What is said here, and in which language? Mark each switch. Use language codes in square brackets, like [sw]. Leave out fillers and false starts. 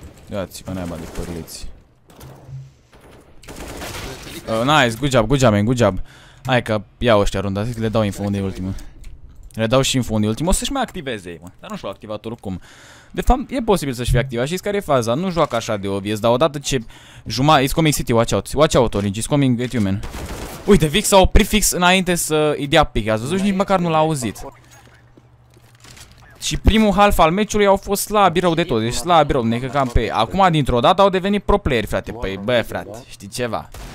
[ro] Ia-ți pe neaba de pârliții. Nice, good job, man. Hai că iau ăștia runda, zic, le dau info unde e ultima. Le dau și info unde e ultima, o să-și mai activeze, mă. Dar nu și-o activat oricum. De fapt, e posibil să-și fie activat, știți care e faza? Nu joacă așa de obvious, dar odată ce... [en] It's coming city, watch out, Orange, it's coming at you, man. [ro] Uite, Vic s-a oprit fix înainte să-i dea pic, ați văzut? Nici măcar nu l-a auzit. Și primul half al meciului au fost slabi rău de tot, deci slabi rău, ne căcam pe... Acum, dintr-o dată, au devenit pro player, frate, păi, bă, frate, știi ceva?